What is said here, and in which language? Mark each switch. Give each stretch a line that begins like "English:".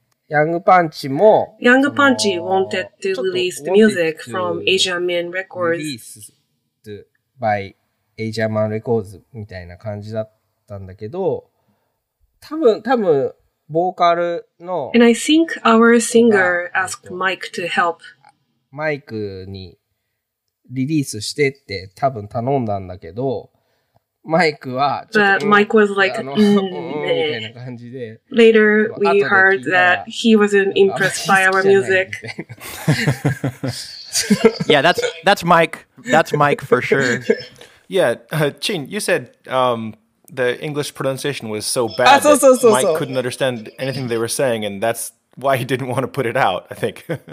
English: Young Punch wanted to release the music from Asia Man Records. Released by Asia Man Records,
Japanese: みたいな感じだったんだけど、多分、ボーカルの。
English: And I think our singer asked Mike to help.
Japanese: マイクにリリースしてって多分頼んだんだけど、
English: Mike was, but Mike was like, later we heard that he wasn't impressed by our music. Yeah, that's Mike. That's Mike for sure. Yeah, Chin, you said the English pronunciation was so bad that Mike couldn't understand anything they were saying, and that's why he didn't want to put it out, I think.